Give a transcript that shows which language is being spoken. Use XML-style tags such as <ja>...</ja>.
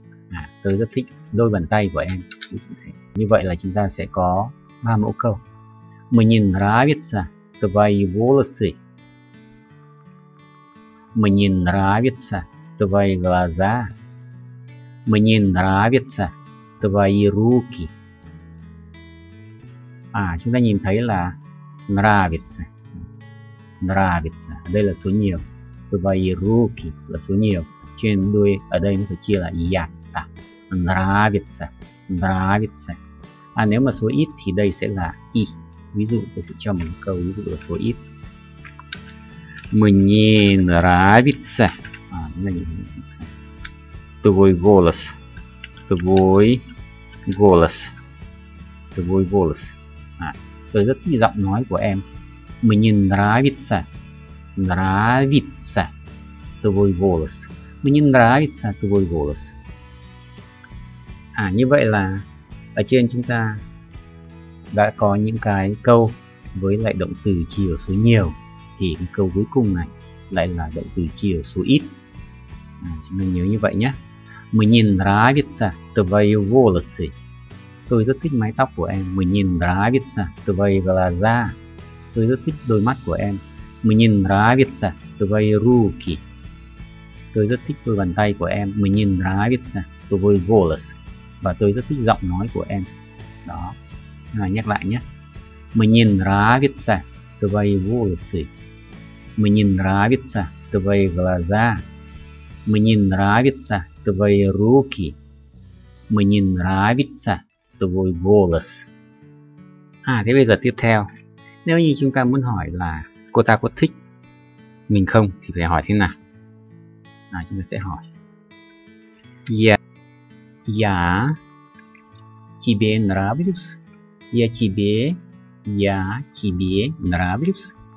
<vi>À, tôi rất thích đôi bàn tay của em. Như vậy là chúng ta sẽ có 3 mẫu câu.</vi> <ru>Мне нравится твои волосы. Мне нравится твои глаза. Мне нравится твои руки.</ru> <vi>À, chúng ta nhìn thấy là нравится. Нравится. Đây là số nhiều.</vi> <ru>Твои руки</ru> <vi>là số nhiều. Cho nên đuôi ở đây nó phải chia là яца.</vi> <ru>Нравится. Нравится.</ru> <vi>À, nếu mà số ít thì đây sẽ là и. Ví dụ, tôi sẽ cho một câu ví dụ là số ít.</vi> <ru>Мне нравится. А, мне нравится твой голос. Твой голос. Твой голос.</ru> <vi>А, tôi rất thích giọng nói của em.</vi> <ru>Мне нравится. Нравится твой голос. Мне нравится твой голос.</ru> <vi>А, như vậy là ở trên chúng ta đã có những cái câu với lại động từ chiều số nhiều. Thì cái câu cuối cùng này lại là động từ chiều số ít. À, chúng ta nhớ như vậy nhé.</vi> <ru>Мне нравятся твои волосы.</ru> <vi>Tôi rất thích mái tóc của em.</vi> <ru>Мне нравятся твои глаза.</ru> <vi>Tôi rất thích đôi mắt của em.</vi> <ru>Мне нравятся твои руки.</ru> <vi>Tôi rất thích đôi bàn tay của em.</vi> <ru>Мне нравятся твои волосы.</ru> <vi>Và tôi rất thích giọng nói của em. Đó. À, nhắc lại nhé.</vi> <ru>Мне нравятся твои волосы. Мне нравятся твои глаза. Мне нравятся твои руки. Мне нравится твой голос.</ru> <vi>À, thế bây giờ tiếp theo. Nếu như chúng ta muốn hỏi là cô ta có thích mình không thì phải hỏi thế nào? À, chúng ta sẽ hỏi.</vi> <ru>Я тебе нравлюсь. Я тебе нравлюсь.</ru>